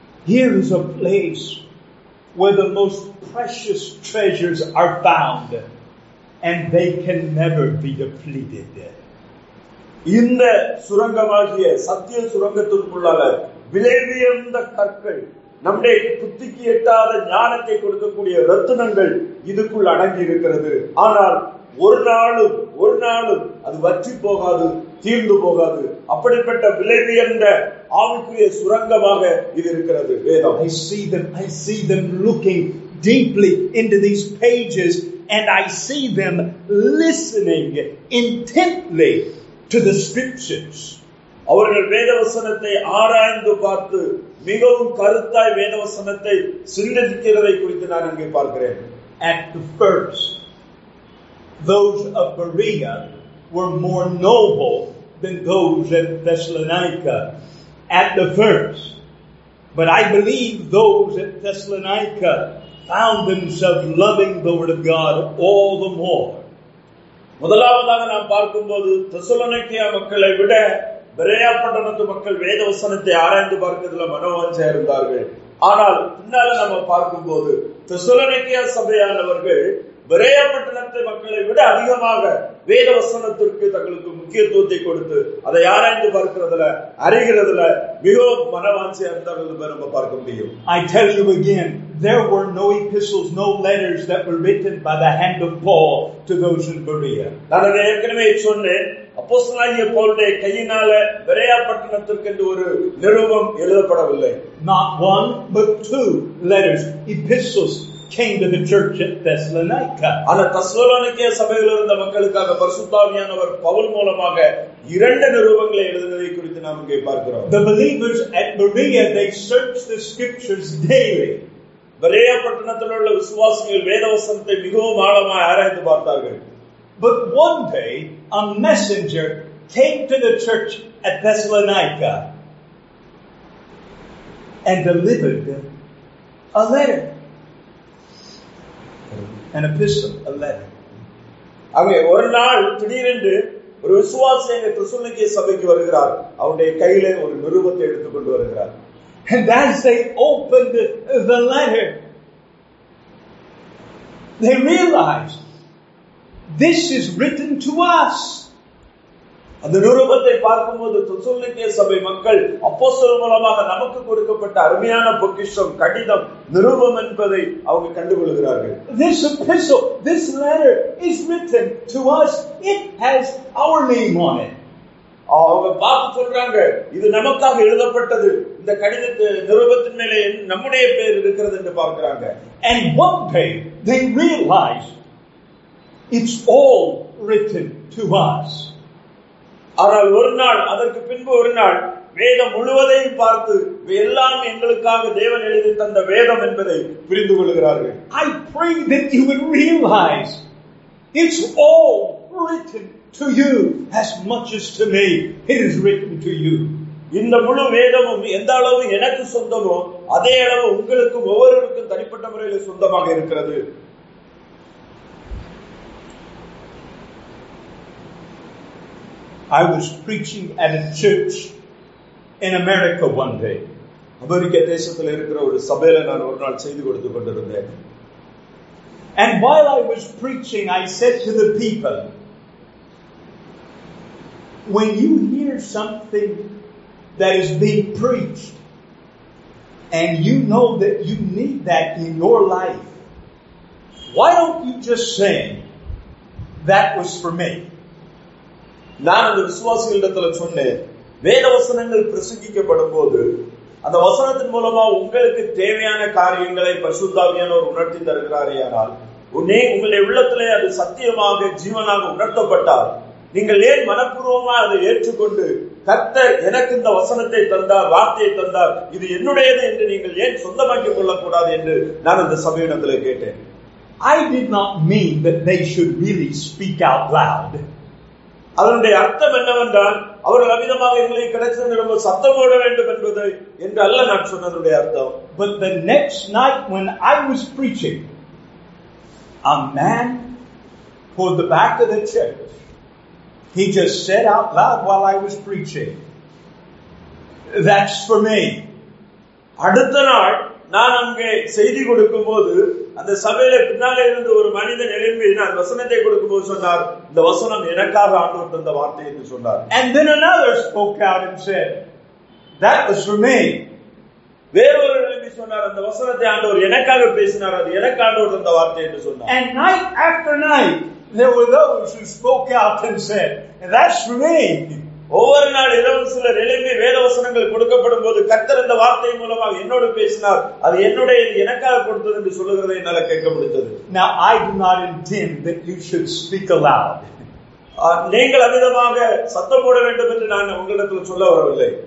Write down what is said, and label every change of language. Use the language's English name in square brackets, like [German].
[English] Here is a place where the most precious treasures are found and they can never be depleted. [Tamil] இந்த சுரங்கமாகிய சத்திய சுரங்கத்திற்குள்ளாக விலையுயர்ந்த கற்கள், நம்முடைய புத்திக்கு எட்டாத ஞானத்தை கொடுக்கக்கூடிய ரத்தினங்கள் இதுக்குள் அடங்கி இருக்கிறது. ஆனால் ஒரு நாளும் அது வற்றி போகாது, தீர்ந்து போகாது. அப்படிப்பட்ட விலை உயர்ந்த ஆவிக்குரிய சுரங்கமாக இது இருக்கிறது வேதம். [English] I see them looking deeply into these pages and I see them listening intently to the scriptures. [Tamil] அவர்கள் வேத வசனத்தை ஆராய்ந்து பார்த்து மிகவும் கருத்தாய் வேத வசனத்தை சிந்தித்ததை குறித்து நான் இங்கே பார்க்கிறேன். [English] At first, those of Berea were more noble than those at Thessalonica. At the first, but I believe those at Thessalonica found themselves loving the word of God all the more. [Tamil] முதலாவதாக நாம் பார்க்கும்போது தெசலோனிக்கேயா மக்களை விட Berea பட்டணத்து மக்கள் வேத வசனத்தை ஆராய்ந்து பார்க்கிறதுல மனோவஞ்சம் இருந்தார்கள். ஆனால் பின்னால நம்ம பார்க்கும்போது தெசலோனிக்கேயா சபையானவர்கள் பெரேயா பட்டணத்து மக்களை விட அதிகமாக வேத வசனத்திற்கு தங்களுக்கு முக்கியத்துவத்தை கொடுத்து அதை ஆராய்ந்து பார்க்கிறதுல அறிகிறதுல மிகவும் மனவாஞ்சியா இருந்தார்கள் என்று நம்ம பார்க்க முடியும். [English] I tell you again, there were no epistles, no letters that were written by the hand of Paul to those in Berea. [Tamil] நான் ஏற்கனவே சொன்னேன், அப்போஸ்தலனாகிய பவுலுடைய கையினால பெரேயா பட்டணத்திற்கு என்று ஒரு நிருபம் எழுதப்படவில்லை. [English] Not one, but two letters, epistles, came to the church at Thessalonica. [Tamil] அந்த தெசலோனிக்கே சபையில் இருந்த மக்களுக்காக பரிசுத்தாவியானவர் பவுல் மூலமாக இரண்டு நிருபங்களை எழுதுவதை குறித்து நாம் இங்கே பார்க்கிறோம். [English] The believers at Berea, they searched the scriptures daily. [Tamil] Berea பட்டணத்தில் உள்ள விசுவாசிகள் வேத வசனத்தை மிகவும் ஆழமாக ஆராய்ந்து பார்த்தார்கள். [English] But one day, a messenger came to the church at Thessalonica and delivered a letter. An epistle, a letter. [Tamil] அங்கே ஒரு நாள் திடீரென்று ஒரு விசுவாசி எங்க திருச்சபைக்கு வருகிறார். அவருடைய கையில ஒரு நிருபத்தை எடுத்துக் கொண்டு வருகிறார். [English] And as they opened the letter, they realized this is written to us. [Tamil] அந்த நிருபத்தை பார்க்கும்போது தெசலோனிக்கே சபை மக்கள் அப்போஸ்தலர் மூலமாக நமக்கு கொடுக்கப்பட்ட அருமையான பொக்கிஷம், கடிதம், நிருபம் என்பதை அவங்க கண்டுகொள்கிறார்கள். [English] This epistle, this letter is written to us. It has our name on it. [Tamil] அவங்க பார்த்து சொல்றாங்க, இது நமக்காக எழுதப்பட்டது. இந்த கடிதத்தை நிருபத்தின் மேலே நம்முடைய பெயர் இருக்கிறது என்று பார்க்கிறாங்க. [English] And one day they realize it's all written to us. [Tamil] ஆனால் ஒரு நாள், அதற்கு பின்பு ஒரு நாள், வேதம் முழுவதையும் பார்த்து எல்லாம் எங்களுக்காக தேவன் எழுதி தந்த வேதம் என்பதை புரிந்து கொள்கிறார்கள். [English] I pray that you will realize it's all written to you as much as to me. It is written to you. [Tamil] இந்த முழு வேதமும் எந்த அளவு எனக்கு சொந்தமோ அதே அளவு உங்களுக்கும் ஒவ்வொருவருக்கும் தனிப்பட்ட முறையில் சொந்தமாக இருக்கிறது. [English] I was preaching at a church in America one day. [Tamil] America தேசத்தில் இருக்கிற ஒரு சபையில நான் ஒரு நாள் செய்து கொடுத்து கொண்டிருந்தேன். [English] And while I was preaching, I said to the people, when you hear something that is being preached and you know that you need that in your life, why don't you just say, that was for me? [Tamil] நான் அந்த விசுவாசிகளிடத்துல சொன்னேன், வேத வசனங்கள் பிரசங்கிக்கப்படும் போது அந்த வசனத்தின் மூலமா உங்களுக்கு தேவையான காரியங்களை பரிசுத்தாவியானவர் உணர்த்தி தருகிறாரே, ஆனால் உன்னே உங்களுடைய உள்ளத்திலே அது சத்தியமாக ஜீவனாக உணர்த்தப்பட்டால் நீங்கள் ஏன் மனப்பூர்வமா அதை ஏற்றுக்கொண்டு கர்த்தர் எனக்கு இந்த வசனத்தை தந்தார், வார்த்தையை தந்தார், இது என்னுடையது என்று நீங்கள் ஏன் சொந்தமாக்கிக் கொள்ளக்கூடாது என்று நான் அந்த சபையிடத்துல கேட்டேன். [English] I did not mean that they should really speak out loud. [Tamil] அதனுடைய அர்த்தம் என்னவென்றால் அவர்கள் அமிதமாக எங்களை கிடைத்து நிறம் சத்தம் போட வேண்டும் என்பது என்று அல்ல நான் சொன்னதனுடைய அர்த்தம். [English] But the next night when I was preaching, a man toward the back of the church, he just said out loud while I was preaching, "That's for me." [Tamil] அடுத்த நாள் நான் அங்கே செய்தி கொடுக்கும் போது அந்த சபையில பின்னாலே இருந்து ஒரு மனிதன் எழும்பி நான் வசனத்தை கொடுக்கும் போது சொன்னார், இந்த வசனம் எனக்காக ஆண்டவர் தந்த வார்த்தை என்று சொன்னார். [English] And then another spoke out and said, "That was for me." [Tamil] வேறொரு எழும்பி சொன்னார், அந்த வசனத்தை ஆண்டவர் எனக்காக பேசினார், அது எனக்கு ஆண்டவர் தந்த வார்த்தை என்று சொன்னார். [English] And night after night, there were those who spoke out and said, "That's for me." [Tamil] ஒவ்வொரு நாள் இரவு சிலர் எழுப்பி வேத வசனங்கள் கொடுக்கப்படும் போது கர்த்தர் இந்த வார்த்தை மூலமாக என்னோடு பேசினார், அது என்னுடைய எனக்காக கொடுத்தது என்று சொல்லுகிறது என்னால கேட்க முடிந்தது. [English] Now I do not intend that you should speak aloud. [Tamil] நீங்கள் அமிதமாக சத்தம் போட வேண்டும் என்று நான் உங்களிடத்தில் சொல்ல வரவில்லை.